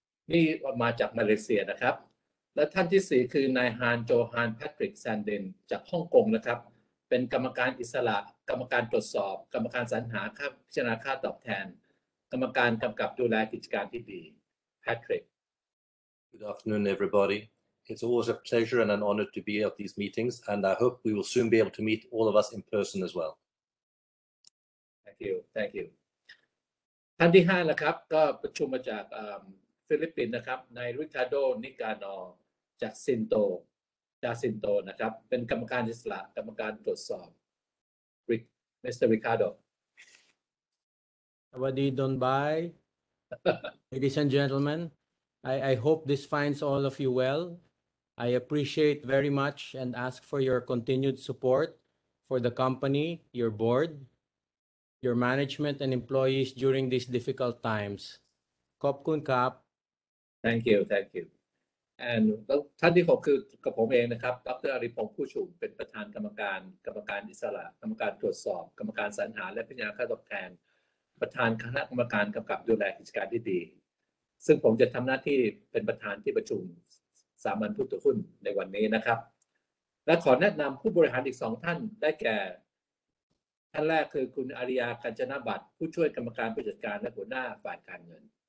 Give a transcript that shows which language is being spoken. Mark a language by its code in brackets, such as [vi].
[th] นี่มาจากมาเลเซียนะครับและท่านที่4คือนายฮานโจฮานแพทริกแซนเดนจากฮ่องกงนะครับเป็นกรรมการอิสระกรรมการตรวจสอบกรรมการสรรหาค่าพิจารณาค่าตอบแทนกรรมการกำกับดูแลกิจการที่ดีแพทริก [en] Good afternoon everybody it's always a pleasure and an honor to be at these meetings and I hope we will soon be able to meet all of us in person as well thank you [th] ท่านที่5นะครับก็ประชุมมาจากฟิลิปปินส์นะครับนายริคาร์โดนิกานอจากซินโตนะครับเป็นกรรมการอิสระกรรมการตรวจสอบริคมิสเตอร์ริคาร์โด สวัสดีดอนบาย [en] ladies and gentlemen I hope this finds all of you well I appreciate very much and ask for your continued support for the company your board your management and employees during these difficult times [th] ขอบคุณครับ [en] Thank you. [th] And ท่านที่6คือกับผมเองนะครับดร.อริพงษ์ผู้ชุมเป็นประธานกรรมการอิสระกรรมการตรวจสอบกรรมการสรรหาและพิจารณาค่าตอบแทนประธานคณะกรรมการกำกับดูแลกิจการที่ดีซึ่งผมจะทำหน้าที่เป็นประธานที่ประชุมสามัญผู้ถือหุ้นในวันนี้นะครับและขอแนะนำผู้บริหารอีก2ท่านได้แก่ท่านแรกคือคุณอริยากัญจนบัตรผู้ช่วยกรรมการผู้จัดการและหัวหน้าฝ่ายการเงิน